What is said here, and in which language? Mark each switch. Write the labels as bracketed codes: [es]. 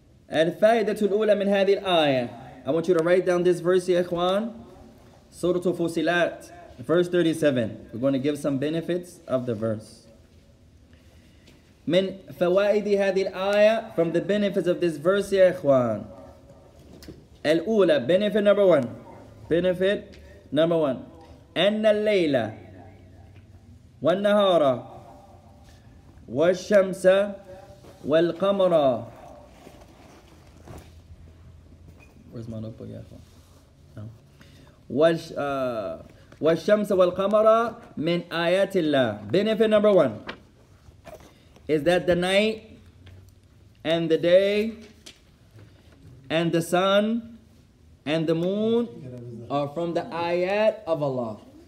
[ar] الفائدة الأولى من هذه الآية. [en] I want you to write down this verse, Ya Ikhwan. [ar] سورة الفصيلات, [en] verse 37. We're going to give some benefits of the verse. [ar] من فوائد هذه الآية, [en] from the benefits of this verse, Ya Ikhwan. الأولى, benefit number one. Benefit number one. [ar] أن الليل والنهار والشمس والقمر. [en] Where's my notebook, yeah? [ar] والشمس والقمر من آيات الله. [en] Benefit number one is that the night and the day and the sun and the moon are from the ayat of Allah.